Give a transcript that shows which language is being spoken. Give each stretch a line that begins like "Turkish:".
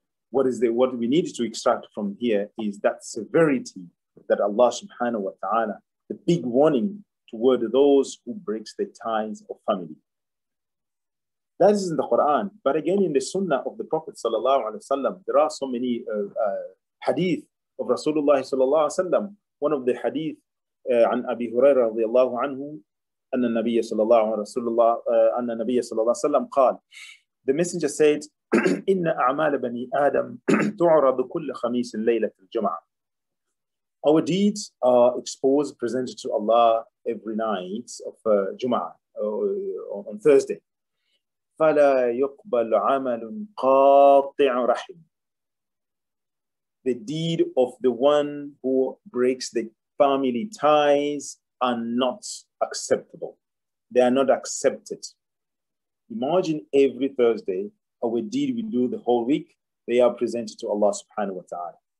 English: What we need to extract from here is that severity that Allah subhanahu wa ta'ala, the big warning toward those who breaks the ties of family. That is in the Quran, but again in the Sunnah of the Prophet sallallahu alaihi wasallam, there are so many hadith of Rasulullah sallallahu alaihi wasallam. One of the hadith
Arabic: عن أبي هريرة رضي الله عنه أن النبي صلى الله عليه وسلم أن النبي صلى الله عليه وسلم قال,
English: the messenger said,
Arabic: إن أعمال بني آدم تعرض كل خميس ليلة الجمعة,
English: our deeds are exposed, presented to Allah every night of Jum'ah, on Thursday.
Arabic: فلا يقبل عمل قاطع رحم,
English: the deed of the one who breaks the family ties are not acceptable. They are not accepted. Imagine every Thursday, our deed we do the whole week, they are presented to Allah subhanahu wa ta'ala.